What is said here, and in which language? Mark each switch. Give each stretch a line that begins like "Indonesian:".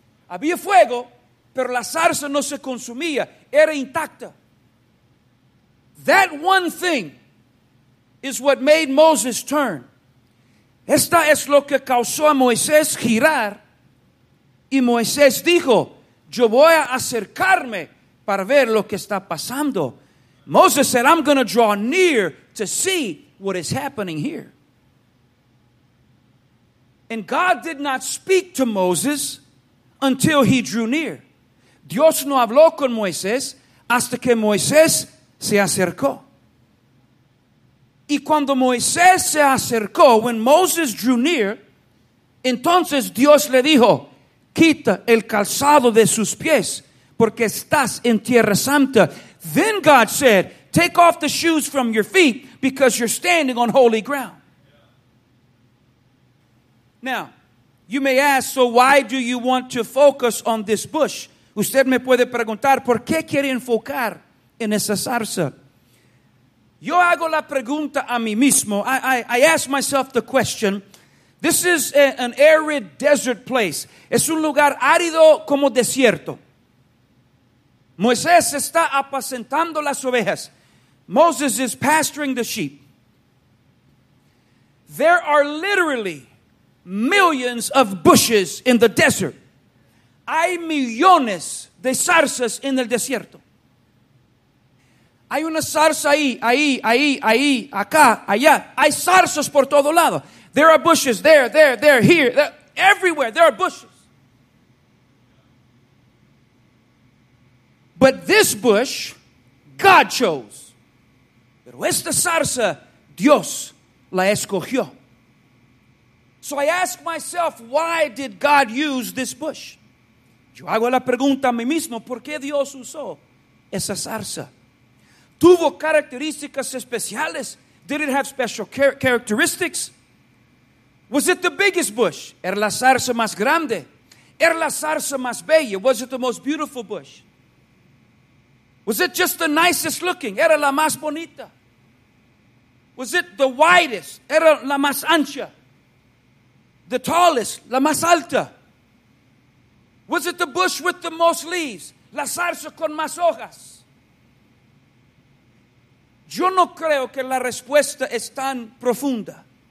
Spanish: Había fuego, pero la zarza no se consumía. Era intacta.
English: That one thing is what made Moses turn.
Spanish: Esta es lo que causó a Moisés girar. Y Moisés dijo, yo voy a acercarme para ver lo que está pasando.
English: Moses said, I'm going to draw near to see what is happening here. And God did not speak to Moses until he drew near.
Spanish: Dios no habló con Moisés hasta que Moisés se acercó. Y cuando Moisés se acercó,
English: when Moses drew near,
Spanish: entonces Dios le dijo, quita el calzado de sus pies, porque estás en tierra santa.
English: Then God said, take off the shoes from your feet, because you're standing on holy ground. Now, you may ask, so why do you want to focus on this bush?
Spanish: Usted me puede preguntar, ¿por qué quiere enfocar en esa zarza? Yo hago la pregunta a mí mismo.
English: I ask myself the question. This is an arid desert place.
Spanish: Es un lugar árido como desierto. Moisés está apacentando las ovejas.
English: Moses is pasturing the sheep. There are literally millions of bushes in the desert.
Spanish: Hay millones de zarzas en el desierto. Hay una zarza ahí, ahí, ahí, ahí, acá, allá. Hay zarzas por todo lado.
English: There are bushes there, there, there, here, there, everywhere. There are bushes. But this bush, God chose.
Spanish: Pero esta zarza, Dios la escogió.
English: So I ask myself, why did God use this bush?
Spanish: Yo hago la pregunta a mí mismo, ¿por qué Dios usó esa zarza? ¿Tuvo características especiales?
English: Did it have special characteristics? Was it the biggest bush?
Spanish: ¿Era la zarza más grande? ¿Era la zarza más bella?
English: Was it the most beautiful bush? Was it just the nicest looking?
Spanish: ¿Era la más bonita?
English: Was it the widest?
Spanish: ¿Era la más ancha?
English: ¿The tallest?
Spanish: ¿La más alta?
English: Was it the bush with the most leaves?
Spanish: ¿La zarza con más hojas? Yo no creo que la respuesta es tan profunda.